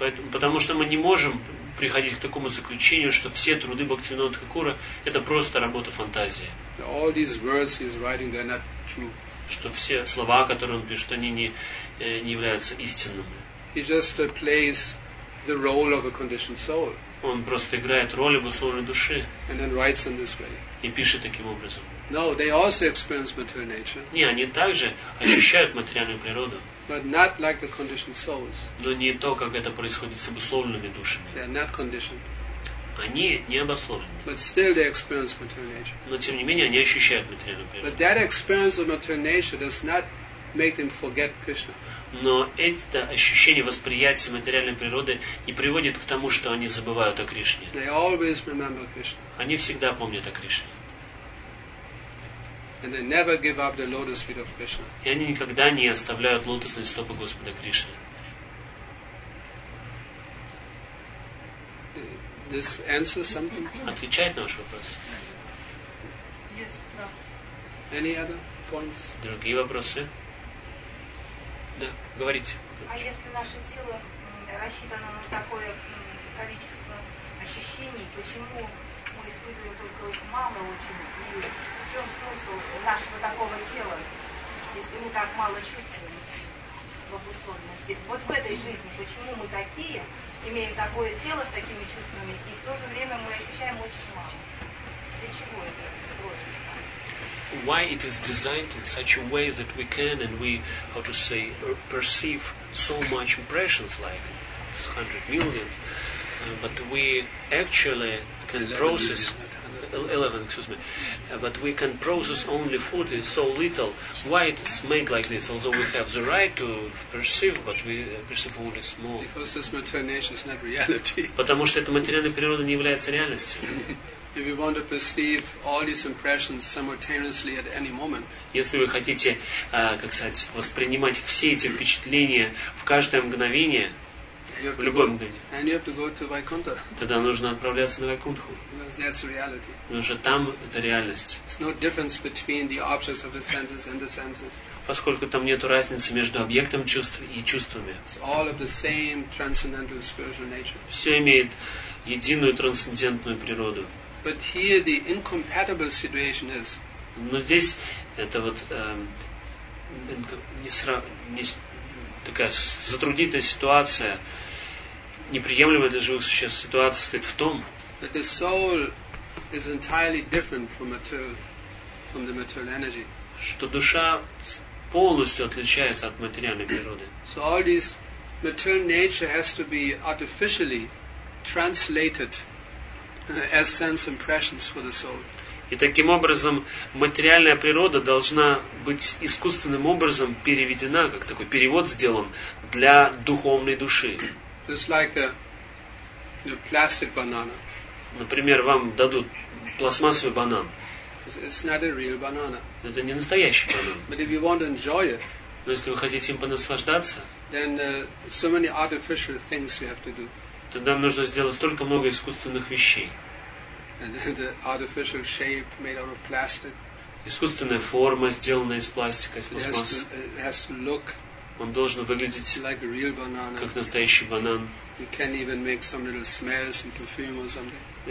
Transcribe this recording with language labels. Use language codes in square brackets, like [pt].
[ru] Потому что мы не можем приходить к такому заключению, что все труды Бхактивинода Тхакура это просто работа фантазии. [en] All these words he's writing, they're not true. [ru] Что все слова, которые он пишет, они не являются истинными. [en] He just plays the role of a conditioned soul. [ru] Он просто играет роль обусловленной души. [en] And then writes in this way. [ru] И пишет таким образом. [en] No, they also experience material nature. [ru] Не, они также ощущают материальную природу. [en] But not like the conditioned souls. [ru] Но не то, как это происходит с обусловленными душами. [en] They are not conditioned. [ru] Они не обусловлены. [en] But still they experience material nature. [ru] Но тем не менее они ощущают материальную природу. [en] But that experience of material nature does not make them forget Krishna. [ru] Но это ощущение восприятия материальной природы не приводит к тому, что они забывают о Кришне. [en] They always remember Krishna. [ru] Они всегда помнят о Кришне. [en] And they never give up the lotus feet of Krishna. [ru] И они никогда не оставляют лотосные стопы Господа Кришны. [en] This answers something? [ru] Отвечает на ваш вопрос? [en] Yes, no. Any other points? [ru] Другие вопросы? Да, говорите. А если наше тело рассчитано на такое количество ощущений, почему мы испытываем только мало очень? И в чем смысл нашего такого тела, если мы так мало чувствуем в обусловленности? Вот в этой жизни почему мы такие, имеем такое тело с такими чувствами, и в то же время мы ощущаем очень мало. Для чего это? [en] Why it is designed in such a way that we can and we, how to say, perceive so much impressions, like 100 million, but we actually can process 11, excuse me, but we can process only 40, so little. Why it is made like this? Although we have the right to perceive, but we perceive only small. Because this material nature is not reality. [ru] Потому что эта материальная природа не является реальностью. [en] If you want to perceive all these impressions simultaneously at any moment. [ru] Если вы хотите, как сказать, воспринимать все эти впечатления в каждое мгновение, в любое мгновение. [en] And you have to go to Vaikuntha. [ru] Тогда нужно отправляться на Вайкунтху. [en] Because that's reality. [ru] Потому что там это реальность. [en] There's no difference between the objects of the senses and the senses. [ru] Поскольку там нет разницы между объектом чувств и чувствами. [en] It's all of the same transcendental spiritual nature. [ru] Все имеет единую трансцендентную природу. [en] But here the incompatible situation is. [ru] Но здесь это вот такая затруднительная ситуация, неприемлемая для живых существ ситуация состоит в том, [en] that the soul is entirely different from the material energy. [ru] Что душа полностью отличается от материальной природы. [en] So all this material nature has to be artificially translated as sense impressions for the soul. [ru] И таким образом материальная природа должна быть искусственным образом переведена, как такой перевод сделан, для духовной души. [en] Just like the plastic banana. [ru] Например, вам дадут пластмассовый банан. [en] It's not a real banana. [ru] Это не настоящий банан. [en] But if you want to enjoy it, [ru] но если вы хотите им понаслаждаться, [en] then, so many artificial things you have to do. [ru] Тогда нужно сделать столько много искусственных вещей. [en] And the artificial shape made out of plastic. [ru] Искусственная форма, сделанная из пластика, из пластмассы. [en] It has to look. [ru] Он должен выглядеть [en] like a real banana. [ru] Как настоящий банан. [en] You can even make some little smells and perfume or something.